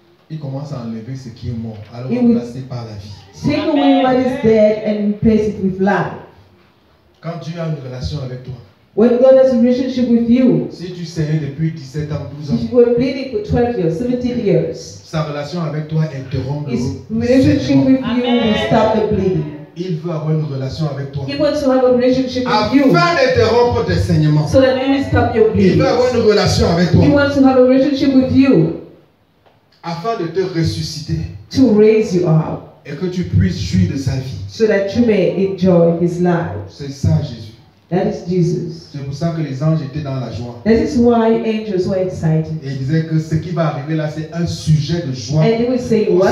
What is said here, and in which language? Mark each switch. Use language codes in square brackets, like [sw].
[fr] Il commence à enlever ce qui est mort, à le remplacer par la vie. [en] Take away what is dead and replace it with life. [fr] Quand Dieu a une relation avec toi. [en] When God has a relationship with you. [fr] Si tu saignes depuis 17 ans, 12 ans. [en] If you were bleeding for 12 years, 17 years. [fr] Sa relation avec toi interrompt [en] his relationship with you will stop the bleeding. [fr] Il veut avoir une relation avec toi. [en] He wants to have a relationship with you. [fr] Afin d'interrompre tes saignements. [en] So that he will stop your bleeding. [fr] Il veut avoir une relation avec toi. [en] He wants to have a relationship with you. [fr] Afin de te ressusciter. [en] To raise you up. [fr] Et que tu puisses jouir de sa vie. [en] So that you may enjoy his life. [fr] C'est ça, Jésus. [en] That is Jesus. [fr] C'est pour ça que les anges étaient dans la joie. [en] That is why angels were excited. [fr] Et ils disaient que ce qui va arriver là, c'est un sujet de joie. [en] And they will say, what